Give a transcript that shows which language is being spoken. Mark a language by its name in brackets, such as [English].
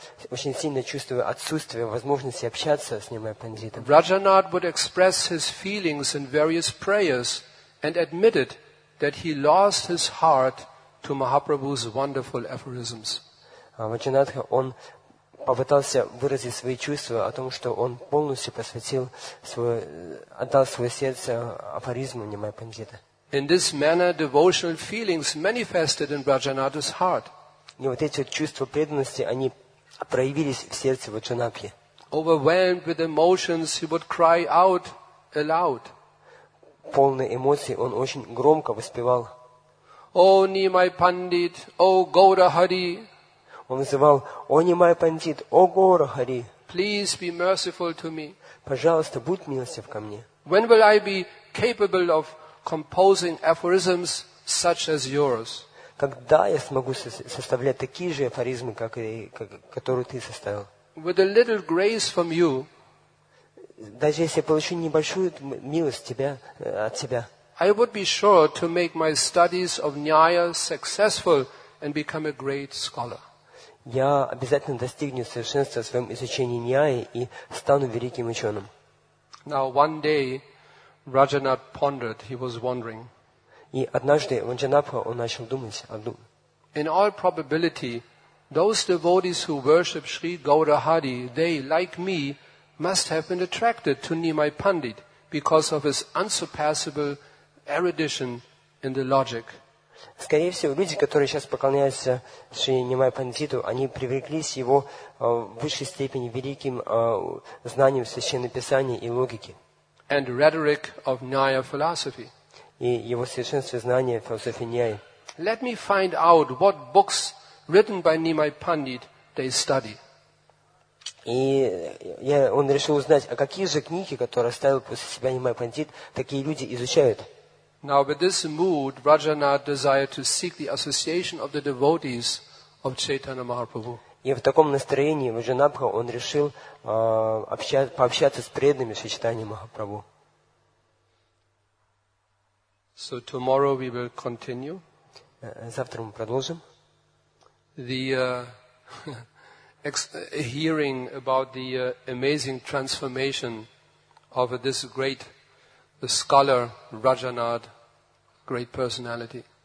[Russian] очень сильно чувствуя отсутствие возможности общаться с Нимай Пандитом, [English] Vrajanath would express his feelings in various prayers and admitted that he lost his heart to Mahaprabhu's wonderful aphorisms. [Russian] Ваджанатха, он попытался выразить свои чувства о том, что он полностью посвятил свое, отдал свое сердце афоризму Нимай Пандита. [English] In this manner, devotional feelings manifested in Vrajanatha's heart. [Russian] И вот эти чувства преданности, они проявились в сердце Ваджанатхи. [English] Overwhelmed with emotions, he would cry out aloud. Полный эмоций, он очень громко воспевал. О, Нимай Пандит, о, Гаурахари. [Russian] Он называл: «О, Нимай Пандит, о, Гаурахари. [English] Please be merciful to me. [Russian] Пожалуйста, будь милостив ко мне. [English] When will I be capable of composing aphorisms such as yours? [Russian] Когда я смогу составлять такие же афоризмы, как и которые ты составил? [English] With a little grace from you, [Russian] даже если я получу небольшую милость тебя, от тебя, [English] I would be sure to make my studies of Nyaya successful and become a great scholar. [Russian] Я обязательно достигну совершенства в своем изучении Ньяи и стану великим ученым. [English] Now one day, Vrajanath pondered, he was wondering. [Russian] И однажды Ванджанапха, он начал думать. [English] In all probability, those devotees who worship Sri Gaurahari, they, like me, must have been attracted to Nimai Pandit because of his unsurpassable erudition in the logic. [Russian] Скорее всего, люди, которые сейчас поклоняются Шри Нимай Пандиту, они привлеклись его в высшей степени великим знанием Священного Писания и логики. [English] And rhetoric of Nyaya philosophy. [Russian] И его совершенстве знания философии Ньяи. [English] Let me find out what books written by Nimai Pandit they study. [Russian] И он решил узнать, а какие же книги, которые оставил после себя Нимай Пандит, такие люди изучают. [English] Now, with this mood, Vrajanath desired to seek the association of the devotees of Chaitanya Mahaprabhu. [Russian] И в таком настроении Ваджанатха, он решил пообщаться с преданными Шри Чайтаньи Махапрабху. [English] So tomorrow we will continue. [Russian] Завтра мы продолжим. [English] The hearing about the amazing transformation of this great scholar Vrajanath, great personality.